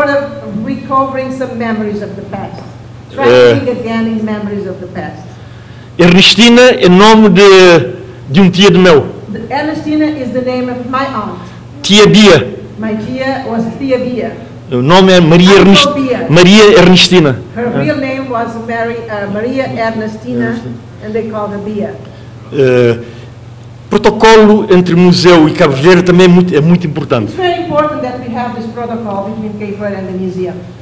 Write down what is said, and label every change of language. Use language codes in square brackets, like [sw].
[en] Sort of recovering some memories of the past. Traveling again in memories of the past. [pt] Ernestina é nome de um tio de meu. [en] Ernestina is the name of my aunt. [pt] Tia Bia. [en] My tia was Tia Bia. [pt] O nome é Maria Ernestina. Maria Ernestina. [en] Her real name was Maria Ernestina, and they called her Bia. [pt] Protocolo entre museu e Cabo Verde também é muito importante. [en] It's very important that we have this protocol between Cape Verde and the museum.